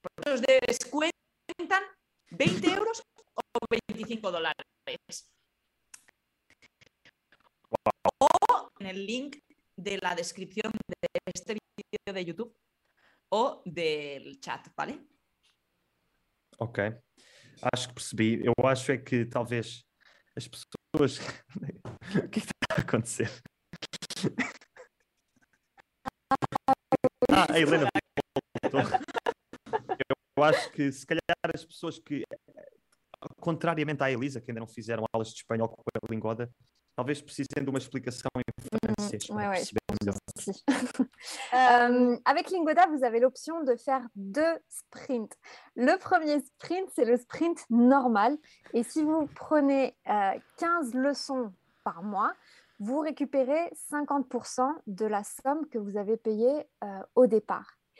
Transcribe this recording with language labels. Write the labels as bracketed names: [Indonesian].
[Spanish] Os descuentan 20 euros o 25 dólares. Wow. O en el link de la descripción de este vídeo de YouTube o del chat, ¿vale? [Portuguese] Ok. Acho que percebi. Eu acho é que talvez as pessoas... O que está a acontecer? Ah, a Helena voltou. Eu acho que se calhar as pessoas que, contrariamente à Elisa, que ainda não fizeram aulas de espanhol com a Lingoda, talvez precisem de uma explicação em francês para perceber melhor. [French] Avec Lingoda, vous avez l'option de faire deux sprints. Le premier sprint, c'est le sprint normal. Et si vous prenez 15 leçons par mois, vous récupérez 50% de la somme que vous avez payée au départ.